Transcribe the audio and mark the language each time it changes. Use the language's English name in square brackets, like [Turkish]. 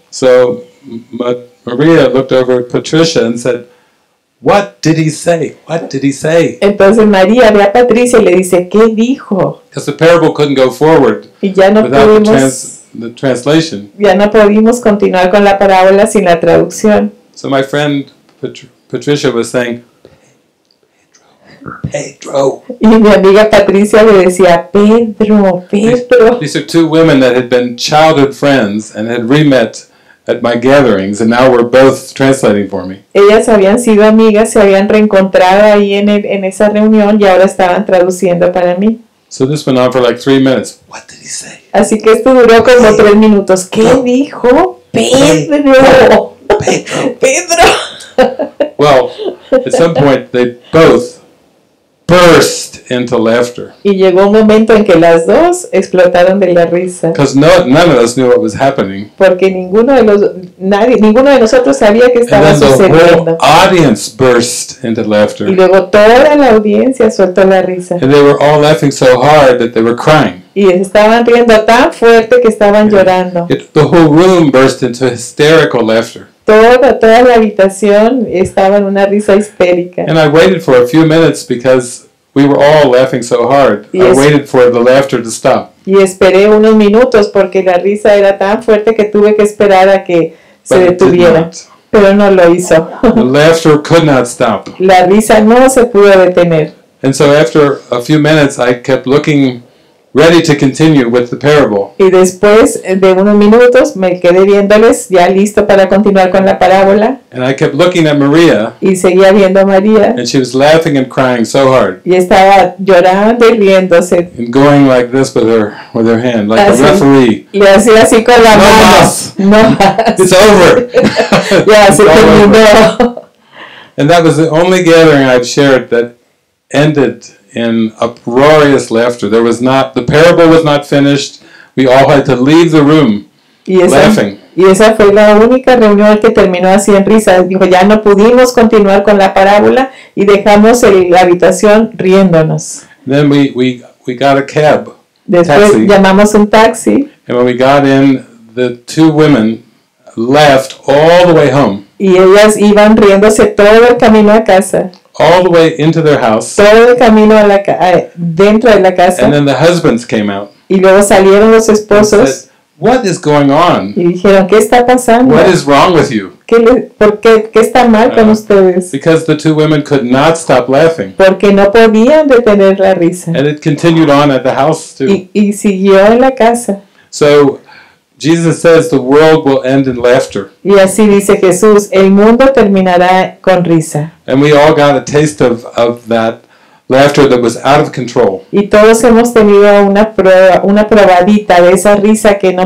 [English] So Maria looked over at Patricia and said, "What did he say? What did he say?" [Spanish] Entonces María ve a Patricia y le dice, "¿Qué dijo?" [English] Because the parable couldn't go forward. [Spanish] Y ya no [English] without [Spanish] pudimos, [English] the translation. [Spanish] Ya no pudimos continuar con la parábola sin la traducción. [English] So my friend Patricia was saying, Pedro. [Spanish] Y mi amiga Patricia le decía, Pedro, Pedro. [English] These are two women that had been childhood friends and had re-met at my gatherings, and now we're both translating for me. [Spanish] Ellas habían sido amigas, se habían reencontrado ahí en esa reunión, y ahora estaban traduciendo para mí. [English] So this went on for like 3 minutes. What did he say? [Spanish] Así que esto duró como 3 minutos. ¿Qué dijo Pedro? Pedro. [English] Well, at some point they both burst into laughter. [Spanish] Y llegó un momento en que las dos explotaron de la risa. [English] Because none of us knew what was happening. [Spanish] Porque ninguno de nosotros sabía qué estaba sucediendo. [English] And then the whole audience burst into laughter. [Spanish] Y luego toda la audiencia soltó la risa. [English] And they were all laughing so hard that they were crying. [Spanish] Y estaban riendo tan fuerte que estaban llorando. [English] The whole room burst into hysterical laughter. [Spanish] Toda la habitación estaba en una risa histérica. [English] And I waited for a few minutes because we were all laughing so hard. I waited for the laughter to stop. [Spanish] Y esperé unos minutos porque la risa era tan fuerte que tuve que esperar a que se detuviera. Pero no lo hizo. [English] The laughter could not stop. [Spanish] La risa no se pudo detener. [English] And so after a few minutes I kept looking ready to continue with the parable. [Spanish] Y después de unos minutos me quedé viéndoles ya listo para continuar con la parábola. [English] And I kept looking at Maria. [Spanish] Y seguía viendo a María. [English] And she was laughing and crying so hard. [Spanish] Y estaba llorando y riéndose. [English] And going like this with her hand, like así, a referee. [Spanish] Y así así con la no mano. Más. No más. [English] It's over. [Spanish] Yeah, se terminó. [English] And that was the only gathering I've shared that ended in uproarious laughter. There was not, the parable was not finished. We all had to leave the room laughing. [Spanish] Y esa fue la única reunión que terminó así en risa. Dijo, ya no pudimos continuar con la parábola y dejamos la habitación riéndonos. [English] Then we got a cab. [Spanish] Después llamamos un taxi. [English] And when we got in, the two women laughed all the way home. [Spanish] Y ellas iban riéndose todo el camino a casa. [English] All the way into their house. [Spanish] Todo el camino a la dentro de la casa. [English] And then the husbands came out. [Spanish] Y luego salieron los esposos. [English] And said, what is going on? [Spanish] Y dijeron, ¿qué está pasando? [English] What is wrong with you? [Spanish] ¿Qué está mal con ustedes? [English] Because the two women could not stop laughing. [Spanish] Porque no podían detener la risa. [English] And it continued on at the house too. [Spanish] Y siguió en la casa. [English] So Jesus says the world will end in laughter. [Spanish] Y así dice Jesús, el mundo terminará con risa. [English] And we all got a taste of that laughter that was out of control. [Spanish] Y todos hemos tenido una probadita de esa risa que no